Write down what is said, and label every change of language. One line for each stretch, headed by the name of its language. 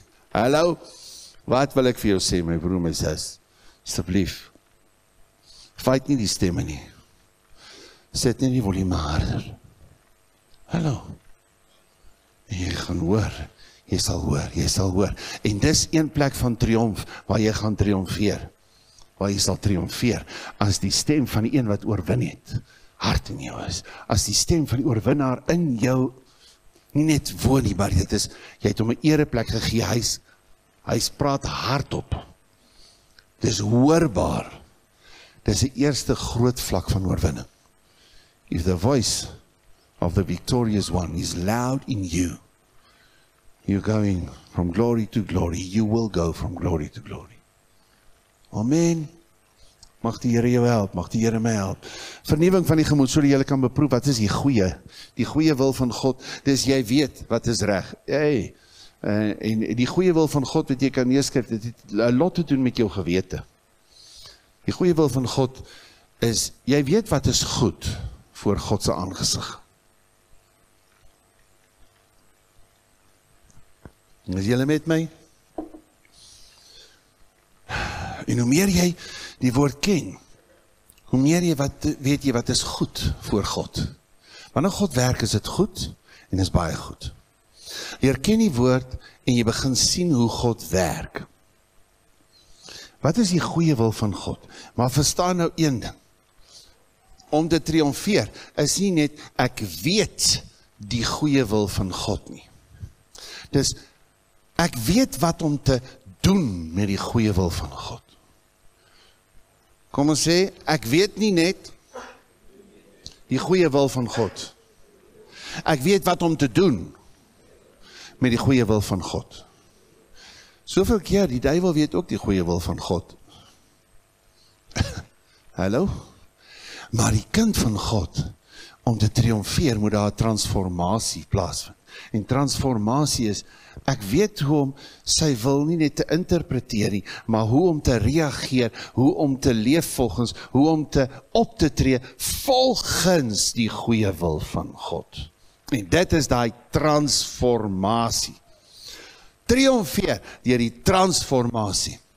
Afrikaans: Hallo, wat wil ek vir jou sê, my broer, my sis? Asseblief, fight nie die stemme nie. Sit nie die volume harder. Hallo, jy gaan hoor, jy sal hoor, jy sal hoor. En dis een plek van triomf, waar jy gaan triomfeer. Waar jy sal triomfeer, as die stem van die een wat oorwin het, hart in jou is, as die stem van die oorwinnaar in jou, nie net woon nie, maar dit is, jy het hom 'n ereplek gegee, hy praat hardop, dis hoorbaar, dis die eerste groot vlak van oorwinning.
English: If the voice of the victorious one is loud in you, you're going from glory to glory, you will go from glory to glory.
Afrikaans: Amen. Mag die Here jou help, mag die Here my help. Vernuwing van die gemoed, sodat jy kan beproef wat is die goeie wil van God, dis jy weet wat is reg. Hey, en die goeie wil van God wat jy kan neerskryf, dit het lot te doen met jou gewete. Die goeie wil van God is, jy weet wat is goed voor God se aangesig. Is jy met my? En hoe meer jy die woord ken, hoe meer jy wat, weet jy wat is goed voor God. Wanneer God werk, is dit goed en is baie goed. Jy herken die woord en jy begin sien hoe God werk. Wat is die goeie wil van God? Maar verstaan nou een ding. Om te triomfeer is nie net ek weet die goeie wil van God nie. Dis ek weet wat om te doen met die goeie wil van God. Kom ons sê, ek weet nie net die goeie wil van God. Ek weet wat om te doen met die goeie wil van God. Soveel keer, die duivel weet ook die goeie wil van God. Hallo? Maar die kind van God, om te triomfeer, moet daar transformasie plaasvind. En transformasie is, ek weet hoe om sy wil nie net te interpreteer nie, maar hoe om te reageer, hoe om te leef volgens, hoe om te op te tree volgens die goeie wil van God. En dit is daai transformasie. Triomfeer deur die transformasie.